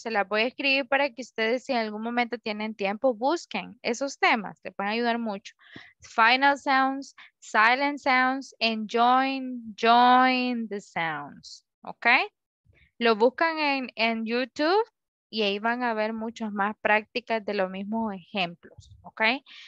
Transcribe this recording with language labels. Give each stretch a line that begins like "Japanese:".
Spanish: Se las voy a escribir para que ustedes, si en algún momento tienen tiempo, busquen esos temas. Te pueden ayudar mucho.
English: Final sounds, silent sounds, and join, join the sounds, okay?
Spanish: Lo buscan en YouTube. Y ahí van a ver muchas más prácticas de los mismos ejemplos, ¿ok?